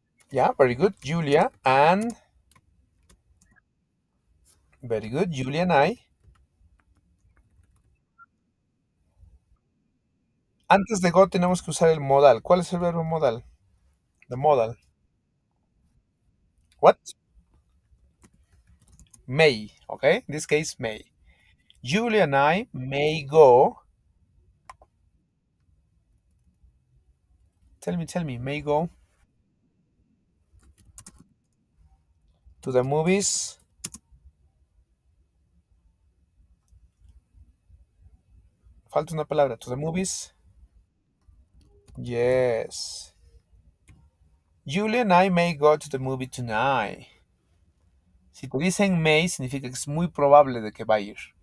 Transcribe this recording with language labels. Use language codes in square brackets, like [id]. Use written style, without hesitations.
[en] Yeah, very good, Julia and very good, Julia and I. [es] Antes de go tenemos que usar el modal. ¿Cuál es el verbo modal? [en] The modal. What? May, okay? In this case, may. Julia and I may go. Tell me, may go. To the movies. [es] Falta una palabra. [en] To the movies. Yes. Julia and I may go to the movie tonight. [es] Si te dicen may, significa que es muy probable de que va a ir.